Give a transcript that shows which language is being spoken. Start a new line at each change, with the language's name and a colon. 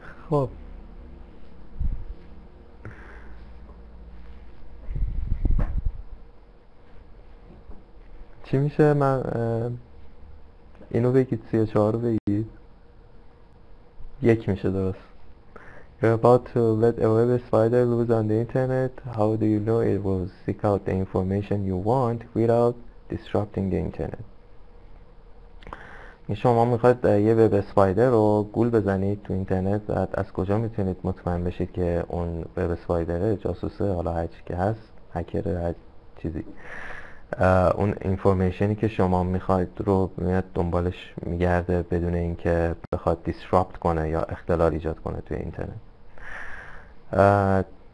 Persian: خب چی میشه؟ من اینو بگید، 34 رو بگید، یک میشه درست.
English: You're about to let a web spider loose on the internet. How do you know it will seek out the information you want without disrupting the internet?
Persian: شما میخواید یه وب اسپایدر رو گول بزنید تو اینترنت، بعد از کجا میتونید مطمئن بشید که اون وب اسپایدره جاسوسه، حالا هر چی که هست، هکر، هر چیزی، اون اینفورمیشنی که شما میخواید رو میاد دنبالش میگرده بدون اینکه بخواد دیسراپت کنه یا اختلال ایجاد کنه توی اینترنت.